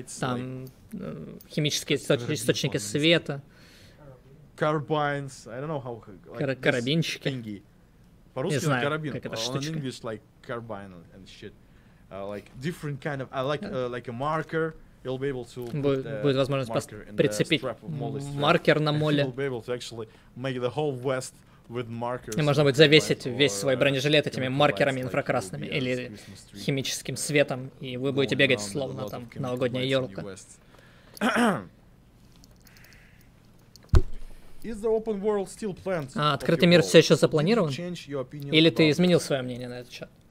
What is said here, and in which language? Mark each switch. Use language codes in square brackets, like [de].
[ru] Там химические источники света. Карабинчики. По-русски это карабин. Он [en] English like carbine and shit. Like different kind of, like a marker. You'll be able to [ru] будет возможность прицепить маркер на моле. [en] You'll be able to actually make the whole vest with markers. [ru] И можно будет завесить весь свой бронежилет этими маркерами инфракрасными или химическим светом, и вы будете бегать словно там новогодняя ёлка. [en] Is the open world still planned? [ru] А открытый мир все еще запланирован? Или ты изменил свое мнение на этот счет?